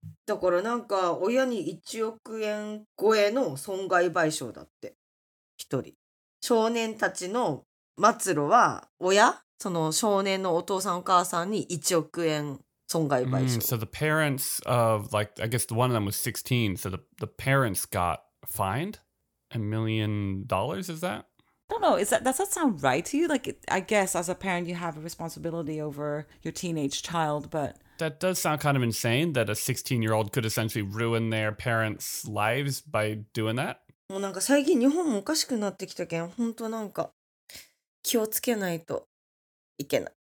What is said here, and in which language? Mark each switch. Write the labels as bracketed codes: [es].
[ja] だからなんか親に1億円超えの損害賠償だって一人少年たちの末路は親その少年のお父さんお母さんに1億円損害賠償、 [en] So the parents of like I guess the one of them was 16 so the parents got fined $1 million is that? I don't know, is that, does that sound right to you? Like I guess as a parent you have a responsibility over your teenage child but That does sound kind of insane that a 16-year-old could essentially ruin their parents' lives by doing that. [ja] もうなんか最近日本もおかしくなってきたけん、本当なんか気をつけないといけない。